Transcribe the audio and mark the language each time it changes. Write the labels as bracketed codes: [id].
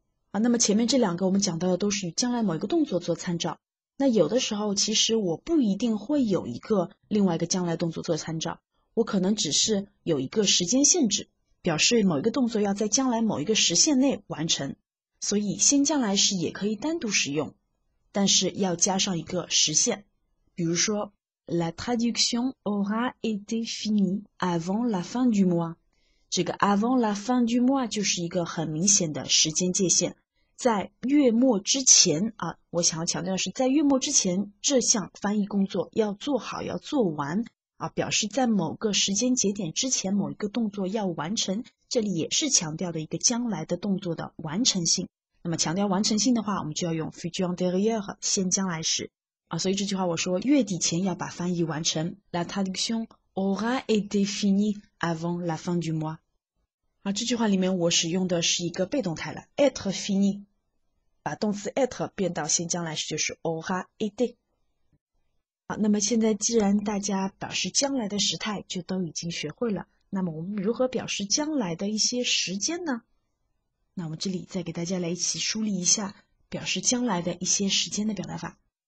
[zh] 那么前面这两个我们讲到的都是与将来某一个动作做参照，那有的时候其实我不一定会有一个另外一个将来动作做参照，我可能只是有一个时间限制，表示某一个动作要在将来某一个时限内完成，所以先将来时也可以单独使用，但是要加上一个时限。比如说 [fr] La traduction aura été finie avant la fin du mois. [zh] 这个 [fr] avant la fin du mois [zh] 就是一个很明显的时间界限，在月末之前我想要强调的是在月末之前这项翻译工作要做好要做完表示在某个时间节点之前某一个动作要完成，这里也是强调的一个将来的动作的完成性。那么强调完成性的话，我们就要用 futur antérieur 先将来时。所以这句话我说月底前要把翻译完成。 [fr] La traduction aura été finie avant la fin du mois. [zh] 这句话里面我使用的是一个被动态了 [fr] ，être fini。 [zh] 把动词 at 变到新疆来时就是 oha ite。好，那么现在既然大家表示将来的时态就都已经学会了，那么我们如何表示将来的一些时间呢？那我们这里再给大家来一起梳理一下表示将来的一些时间的表达法。